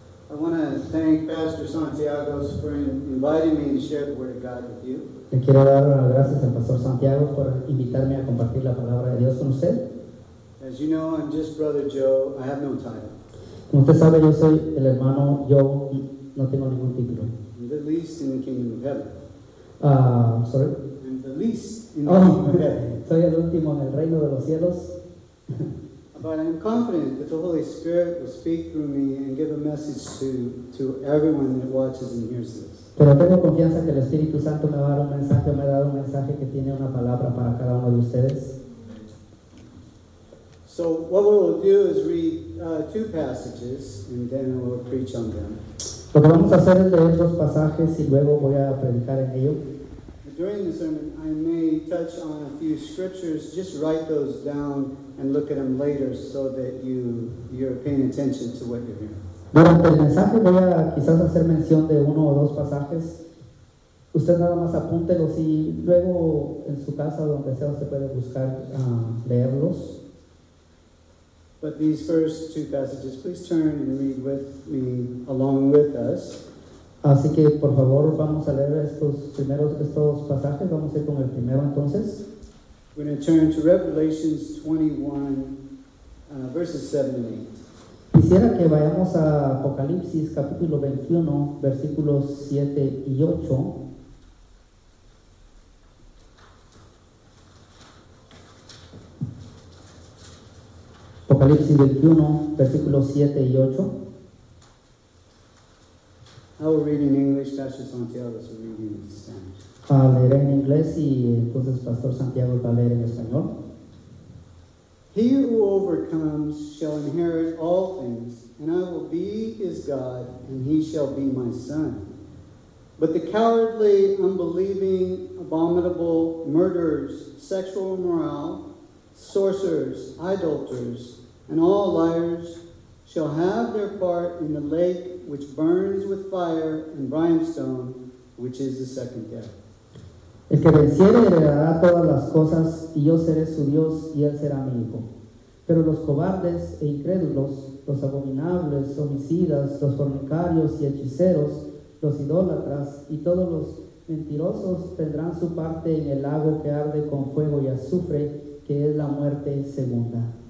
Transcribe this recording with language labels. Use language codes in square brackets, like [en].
[en] I want to thank Pastor Santiago for inviting me to share the word of God with you. [es] Te quiero dar las gracias a Pastor Santiago por invitarme a compartir la palabra de Dios con usted. [en] As you know, I'm just Brother Joe. I have no title. [es] Como usted sabe, yo soy el hermano Joe y no tengo ningún título. [en] I'm the least in the kingdom of heaven. I'm sorry. I'm the least in the kingdom of heaven. [es] Soy el último en el reino de los cielos. [en] But I'm confident that the Holy Spirit will speak through me and give a message to everyone that watches and hears this. [es] Pero tengo confianza que el Espíritu Santo me va a dar un mensaje, me ha dado un mensaje que tiene una palabra para cada uno de ustedes. [en] So what we will do is read two passages and then we will preach on them. [es] Lo que vamos a hacer es leer dos pasajes y luego voy a predicar en ello. [en] During the sermon, I may touch on a few scriptures. Just write those down and look at them later so that you're paying attention to what you're hearing. [es] Durante el mensaje voy a quizás hacer mención de uno o dos pasajes. Usted nada más apúntelos y luego en su casa o donde sea usted puede buscar leerlos. [en] But these first two passages, please turn and read with me along with us. [es] Así que por favor vamos a leer estos pasajes. Vamos a ir con el primero entonces. [en] We're going to turn to Revelations 21, verses 7 and 8. [es] Quisiera que vayamos a Apocalipsis capítulo 21, versículos 7 y 8. Apocalipsis 21, versículos 7 y 8. [en] I will read in English, Pastor Santiago will read in Spanish. [es] Leeré en inglés y entonces Pastor Santiago va a leer en español. [en] He who overcomes shall inherit all things, and I will be his God, and he shall be my son. But the cowardly, unbelieving, abominable, murderers, sexual immoral, sorcerers, idolaters, and all liars shall have their part in the lake which burns with fire and brimstone, which is the second death. [es] El que venciere heredará todas las cosas, y yo seré su Dios, y él será mi hijo. Pero los cobardes e incrédulos, los abominables, homicidas, los fornicarios y hechiceros, los idólatras y todos los mentirosos tendrán su parte en el lago que arde con fuego y azufre, que es la muerte segunda.